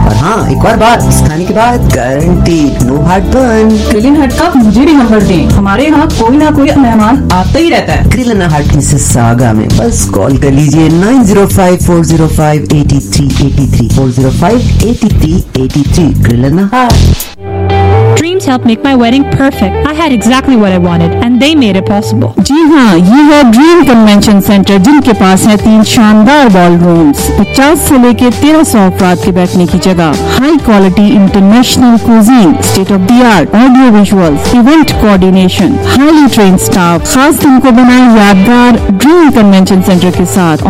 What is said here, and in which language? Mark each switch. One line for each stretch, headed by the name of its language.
Urdu: اور ہاں ایک اور بات, اس کھانے کے بعد
English: Guarantee no heartburn.
Urdu: کرانہ ہٹ کا مجھے بھی نمبر دیں, ہمارے یہاں کوئی نہ کوئی مہمان آتا ہی رہتا ہے. کرانہ ہٹ مسز ساگا میں, بس کال کر لیجیے 905-405-8383.
English: Dreams helped make my wedding perfect. I had exactly what I wanted and they made it possible.
Urdu: جی ہاں, یہ ہے ڈریم کنوینشن سینٹر جن کے پاس ہے تین شاندار بال رومز, 50 سے لے کے 1300 افراد کے بیٹھنے کی جگہ,
English: high quality international cuisine, state of the art audio visual, event coordination, highly trained staff,
Urdu: خاص دن کو بنائیں یادگار ڈریم کنوینشن سینٹر کے ساتھ.